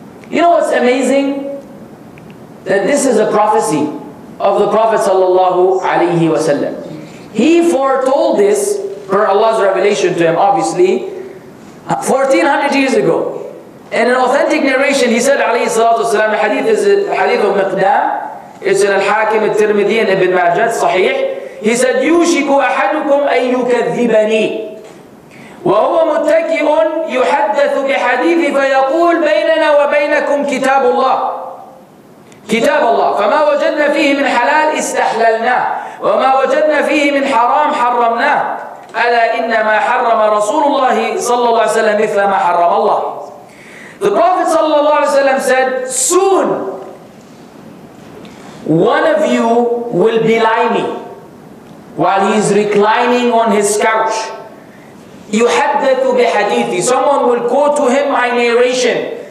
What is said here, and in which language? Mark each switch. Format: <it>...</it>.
<en>You know what's amazing? That this is a prophecy of the Prophet sallallahu alaihi wasallam. He foretold this per Allah's revelation to him, obviously, 1400 years ago. In an authentic narration, he said, alayhi salatu wasalam, hadith is a hadith of Miqdam. It's in Al-Hakim, Al-Tirmidhi, and Ibn Majah, Sahih. He said,</en> <ar>يُوشِكُ أَحَدُكُمْ أَن يُكَذِّبَنِي وَهُوَ مُتَّكِئٌ يُحَدَّثُ بِحَدِيثِ فَيَقُولُ بَيْنَنَا وَبَيْنَكُمْ كِتَابُ اللَّهِ كتاب الله فما وجدنا فيه من حلال استحللنا وما وجدنا فيه من حرام حرمنا ألا إنما حرم رسول الله صلى الله عليه وسلم مثل ما حرم الله.</ar> <en>The Prophet</en> <ar>صلى الله عليه وسلم</ar> <en>said, soon one of you will belie me while he is reclining on his couch.</en> <ar>يُحَدَّثُ بِحَدِيثِ</ar> <en>Someone will quote to him my narration.</en>